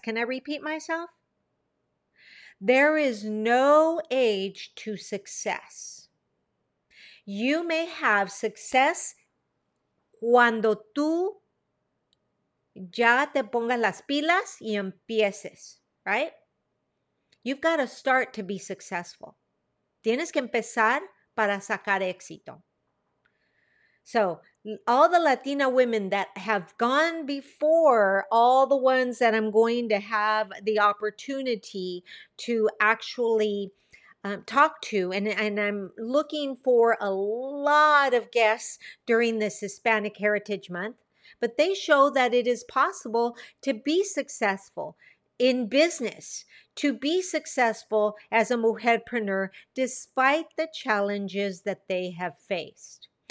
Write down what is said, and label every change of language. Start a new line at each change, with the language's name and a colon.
English: Can I repeat myself? There is no age to success. You may have success
Spanish: cuando tú ya te pongas las pilas y empieces,
English: right? You've got to start to be successful.
Spanish: Tienes que empezar para sacar éxito.
English: So all the Latina women that have gone before, all the ones that I'm going to have the opportunity to actually talk to, and I'm looking for a lot of guests during this Hispanic Heritage Month, but they show that it is possible to be successful in business, to be successful as a mujerpreneur, despite the challenges that they have faced.